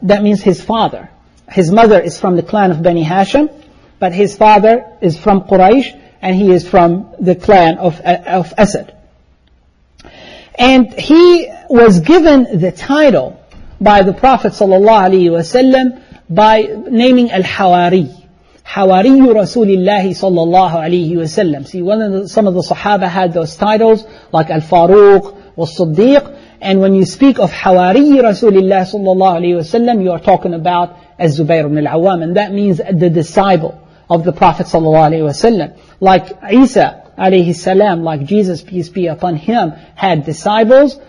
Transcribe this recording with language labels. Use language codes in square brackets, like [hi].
[en] That means his father. His mother is from the clan of Bani Hashim, but his father is from Quraysh, and he is from the clan of Asad. And he was given the title by the Prophet sallallahu alayhi wa sallam by naming al-Hawari. [ar] حواري رسول الله صلى الله عليه وسلم. [en] See, some of the Sahaba had those titles like Al-Faruq والصديق. And when you speak of [ar] حواري رسول الله صلى الله عليه وسلم, [en] you are talking about Az-Zubayr ibn al-Awwam. And that means the disciple of the Prophet [ar] صلى الله عليه وسلم. [en] Like Isa [ar] عليه السلام, [en] like Jesus, peace be upon him, had disciples.